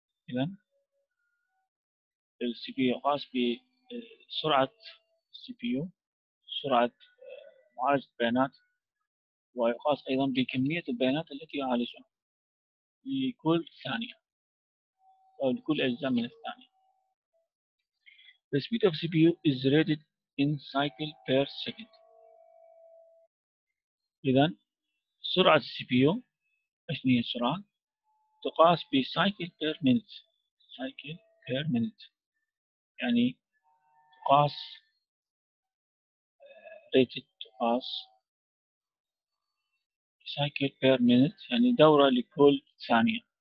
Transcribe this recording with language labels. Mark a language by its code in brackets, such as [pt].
[ar] إذا الـ CPU يقاس بسرعة CPU، سرعة معالجة البيانات، ويقاس أيضا بكمية البيانات التي يعالجها لكل ثانية أو لكل أجزاء من الثانية. [en] The speed of CPU is rated in cycle per second. [ar] إذا سرعة CPU أشني السرعة تقاس ب [en] cycle per minute. Cycle per minute [ar] يعني تقاس rated تقاس [en] cycle per minute [ar] يعني دورة لكل ثانية.